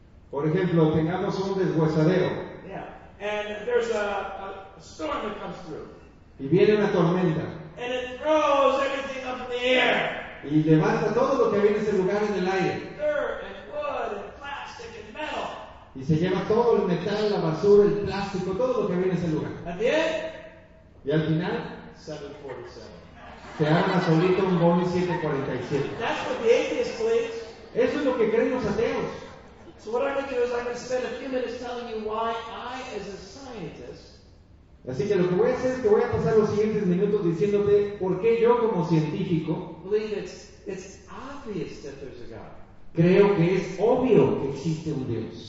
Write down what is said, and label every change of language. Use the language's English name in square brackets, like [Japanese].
[Spanish] Por ejemplo, tengamos un deshuesadero. [English] Yeah. And there's a storm that comes through. [Spanish] Y viene una tormenta. [English] And it throws everything up in the air. [Spanish] Y levanta todo lo que viene en ese lugar en el aire. [English] Dirt and wood and plastic and metal. [Spanish] Y se lleva todo el metal, la basura, el plástico, todo lo que viene en ese lugar. [English] At the end, [Spanish] y al final, [English] 747. [Spanish] Se arma solito un Boeing 747. [English] That's what the atheist believes. [Spanish] Eso es lo que creen los ateos. [English] So what I'm going to do is I'm going to spend a few minutes telling you why I, as a scientist, [Spanish] así que lo que voy a hacer es que voy a pasar los siguientes minutos diciéndote por qué yo como científico [English] believe it's obvious that there's a God. [Spanish] Creo que es obvio que existe un Dios.